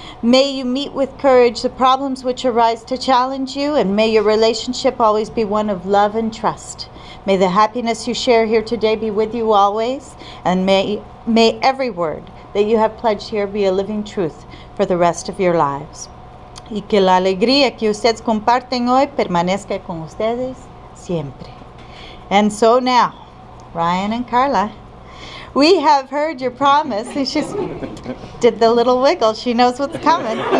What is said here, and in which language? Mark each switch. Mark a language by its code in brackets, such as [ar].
[en] May you meet with courage the problems which arise to challenge you, and may your relationship always be one of love and trust. May the happiness you share here today be with you always, and may every word that you have pledged here be a living truth for the rest of your lives. [es] Y que la alegría que ustedes comparten hoy permanezca con ustedes siempre. [en] And so now, Ryan and Karla, we have heard your promise. And she did the little wiggle. She knows what's coming.